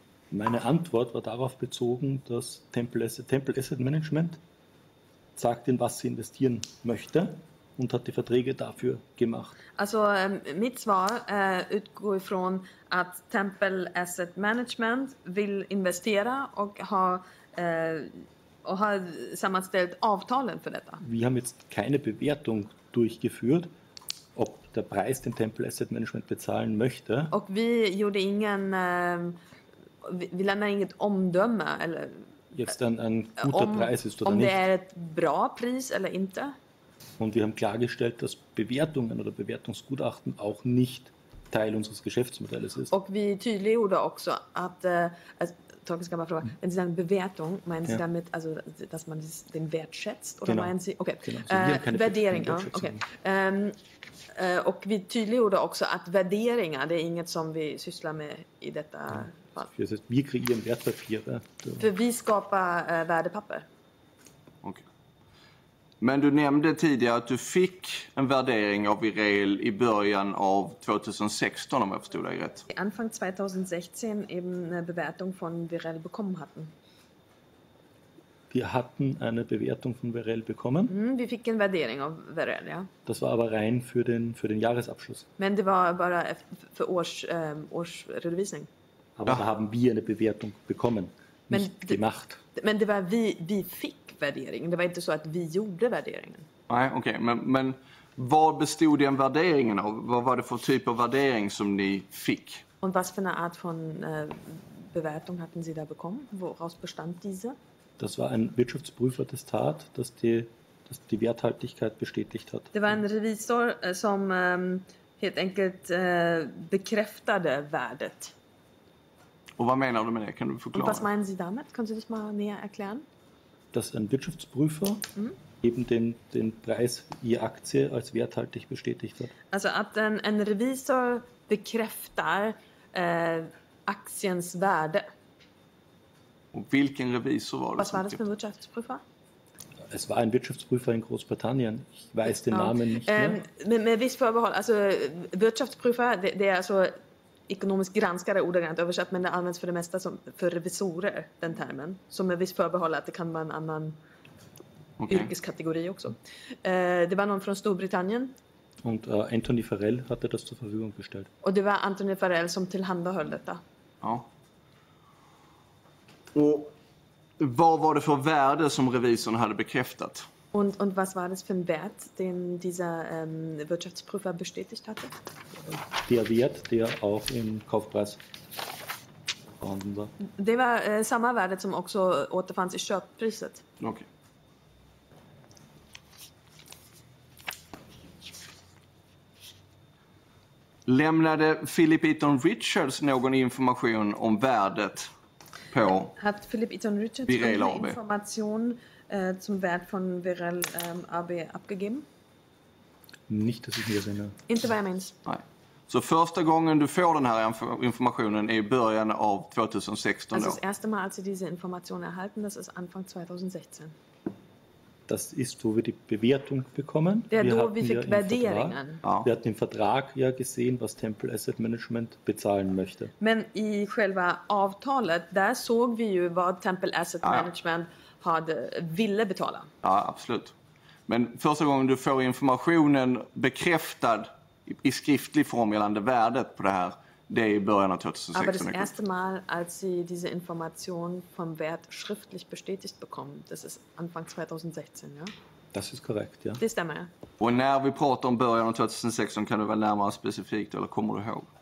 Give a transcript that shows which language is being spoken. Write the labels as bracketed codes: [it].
[de] Meine Antwort war darauf bezogen, dass Temple Asset Management sagt, in was sie investieren möchte und hat die Verträge dafür gemacht. [sv] Also mit Svar utgår ifrån att Temple Asset Management vill investera och har sammanställt avtalen för detta. [de] Wir haben jetzt keine Bewertung durchgeführt, ob der Preis den Temple Asset Management bezahlen möchte. [sv] Och vi gjorde ingen vi lämnar inget omdöme eller [de] jetzt ein guter Preis ist oder [sv] om [de] nicht. [sv] Det är ett bra pris eller inte. [de] Und wir haben klargestellt, dass Bewertungen oder Bewertungsgutachten auch nicht Teil unseres Geschäftsmodells ist. [sv] Och vi tydliggjorde också att ska man fråga, [de] wenn Sie sagen Bewertung, meinen Sie damit also dass man den Wert schätzt oder genau. Meinen Sie okay, genau. Also [sv] Värdering, ja, okay. Och vi tydliggjorde också att värderingar, det är inget som vi sysslar med i detta [de] Das heißt, wir kreieren Wertpapiere. [sv] För vi skapar värdepapper. Okay. Men du nämnde tidigare att du fick en värdering av Ireal i början av 2016, om jag förstod dig rätt. [de] I anfang 2016 eben eine Bewertung von Ireal bekommen hatten. Wir hatten eine Bewertung von Ireal bekommen. [sv] Mm, vi fick en värdering av Ireal, ja. [de] Das war aber rein für den Jahresabschluss. [sv] Men det var bara för årsredovisning. [de] Aber da haben wir eine Bewertung bekommen, nicht gemacht. [sv] Men det var vi fick värderingen. Det var inte så att vi gjorde värderingen. Nej, okej. Okay. Men vad bestod den värderingen av? Vad var det för typ av värdering som ni fick? [de] Und was für eine Art von Bewertung hatten Sie da bekommen? Woraus bestand diese? Das war ein Wirtschaftsprüferattestat, das die Werthaltigkeit bestätigt hat. [sv] Det var en revisor som helt enkelt bekräftade värdet. Och vad menar du med det? Kan du förklara? Vad menar du damit? Kan du det [de] mal näher erklären? Dass ein Wirtschaftsprüfer eben den Preis je Aktie als werthaltig bestätigt hat. [sv] Alltså att en revisor bekräftar aktiens värde. Och vilken revisor var det? [de] Was war das für ein Wirtschaftsprüfer? Es war ein Wirtschaftsprüfer in Großbritannien. Ich weiß den Namen nicht mehr. [sv] Med viss förbehåll, alltså Wirtschaftsprüfer, det är alltså ekonomisk granskare, ordagrant översatt, men det används för det mesta som för revisorer, den termen. Som med viss förbehåll att det kan vara en annan yrkeskategori också. Det var någon från Storbritannien. Und, Anthony Farrell hade det till förfogande gestellt. Och det var Anthony Farrell som tillhandahöll detta. Ja. Och vad var det för värde som revisorn hade bekräftat? [de] Und was war das für ein Wert, den dieser Wirtschaftsprüfer bestätigt hatte? Der Wert, der auch im Kaufpreis vorhanden war. [sv] Det var samma värde som också återfanns i köppriset. Okay. Lämnade Philip Eaton Richards någon information om värdet på Ireal AB? [de] Hat Philip Eaton Richards irgendeine Information zum Wert von Ireal AB abgegeben? Nicht, dass ich mir sehe. [sv] Inte vad jag minns. Nej. Så första gången du får den här informationen är i början av 2016 då? [de] Also das erste Mal, als Sie diese Information erhalten, das ist Anfang 2016. Das ist, wo wir die Bewertung bekommen. Der wir hatten wir Värderingen. Vertrag, wir hatten im Vertrag ja gesehen, was Temple Asset Management bezahlen möchte. [sv] Men i själva avtalet, där såg vi ju vad Temple Asset Management ville betala. Ja, absolut. Men första gången du får informationen bekräftad i skriftlig form gällande värdet på det här, det är i början av 2016. [de] Aber das erste Mal, als Sie diese Information vom Wert schriftlich bestätigt bekommen, das ist Anfang 2016, ja? Das ist korrekt, ja. [sv] Det stämmer, ja. Och när vi pratar om början av 2016, kan du väl närmare specifikt, eller kommer du ihåg?